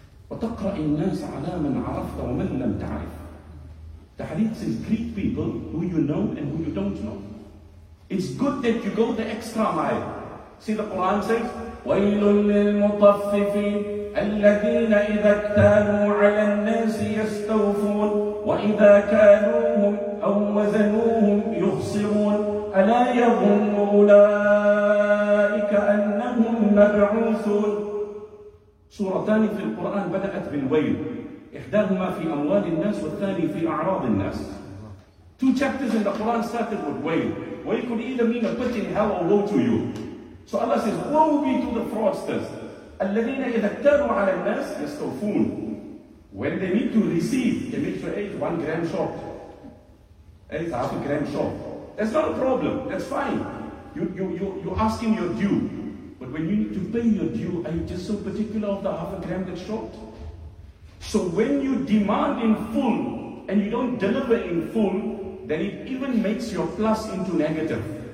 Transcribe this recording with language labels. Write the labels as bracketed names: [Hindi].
[Arabic] وَتَقْرَأِ النَّاسَ عَلَى مَنْ عَرَفْتَ وَمَنْ لَمْ تَعْرِفْ. [English] The hadith says, greet people who you know and who you don't know. It's good that you go the extra mile. See, the Quran says, [Arabic] وَيْلٌ لِلْمُطَفِّفِينَ الَّذِينَ إِذَا اكْتَالُوا عَلَى النَّاسِ يَسْتَوْفُونَ وَإِذَا كَانُوهُمْ أَوْ وَزَنُوهُمْ يُخْسِرُونَ أَلَا يَظُنُّ أُولَٰئِكَ أَنَّهُمْ مَبْعُوثُونَ. صورتان في القرآن بدأت بالويل إحداهما في أموال الناس والثاني في أعراض الناس. [English] Two chapters in the Quran started with wail. Wail could either mean a pit in hell or woe to you. So Allah says, woe be to the fraudsters. [Arabic] الذين إذا اكتالوا على الناس يستوفون. [English] When they need to receive, they make sure it's 1 gram short. It's half a gram short. That's not a problem. That's fine. You ask him your due. But when you need to pay your due, are you just so particular of the half a gram that's short? So when you demand in full and you don't deliver in full, then it even makes your plus into negative.